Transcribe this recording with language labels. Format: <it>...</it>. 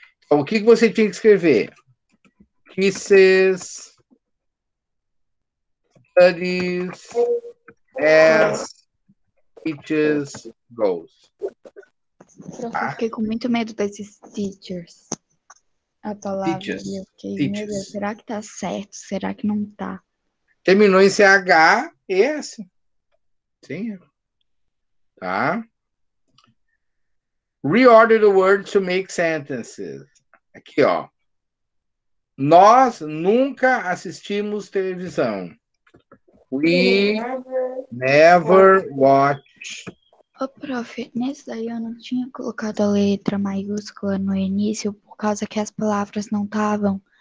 <pt>Então, o que que você tinha que escrever?</pt> <en>Kisses, studies, as, teachers, goals.</en> <pt>Tá? Eu fiquei com muito medo desses teachers. A palavra.</pt> <en>Teachers. Teachers.</en> <pt>Medo. Será que tá certo? Será que não tá? Terminou em CH e S. Sim. Tá?</pt> <en>Reorder the words to make sentences.</en> <pt>Aqui, ó. Nós nunca assistimos televisão.</pt> <en>We never watch.</en> <pt>Ô, prof, nesse daí eu não tinha colocado a letra maiúscula no início por causa que as palavras não estavam.</pt>